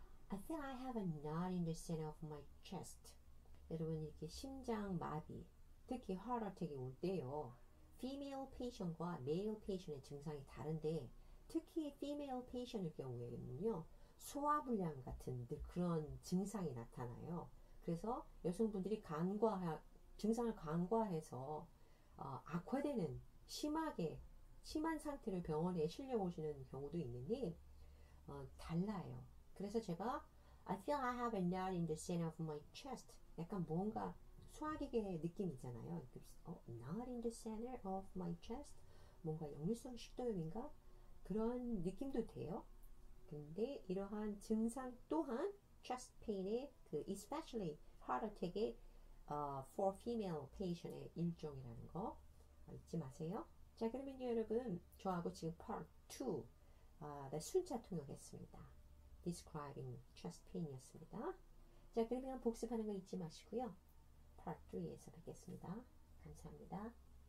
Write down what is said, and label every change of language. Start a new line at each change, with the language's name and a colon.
English: I feel I have a knot in the center of my chest.
Korean: 여러분 이렇게 심장 마비, 특히 heart attack이 올 때요. female patient과 male patient의 증상이 다른데, 특히 female patient의 경우에는요, 소화불량 같은 그런 증상이 나타나요. 그래서 여성분들이 증상을 간과해서 악화되는 심한 상태로 병원에 실려 오시는 경우도 있는데, 달라요. 그래서 제가
English: I feel I have a knot in the center of my chest.
Korean: 약간 뭔가 소화기계의 느낌이잖아요.
English: Not in the center of my chest.
Korean: 뭔가 역류성 식도염인가? 그런 느낌도 돼요. 근데 이러한 증상 또한 chest pain의 그
English: especially heart attack
Korean: 의
English: for female patient
Korean: 의 일종이라는 거 잊지 마세요. 자, 그러면 여러분 저하고 지금 part 2 순차 통역했습니다.
English: Describing chest pain이었습니다.
Korean: 자, 그러면 복습하는 거 잊지 마시고요. Part 3에서 뵙겠습니다. 감사합니다.